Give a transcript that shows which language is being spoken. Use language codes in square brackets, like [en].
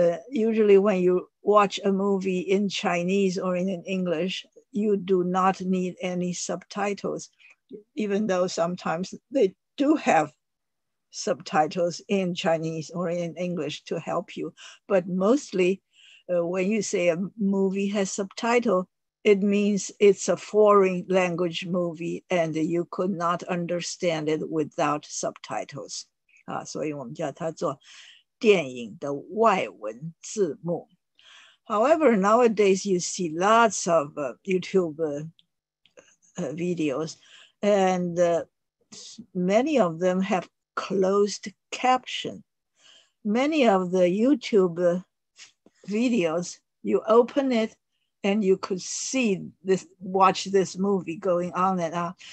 [en] Usually when you watch a movie in Chinese or in English, you do not need any subtitles, even though sometimes they do have subtitles in Chinese or in English to help you. But mostly when you say a movie has subtitle, it means it's a foreign language movie and you could not understand it without subtitles. [zh] 所以我们叫它做电影的外文字幕. [en] However, nowadays you see lots of YouTube videos and many of them have closed caption. Many of the YouTube videos, you open it, and you could see this, watch this movie going on and on.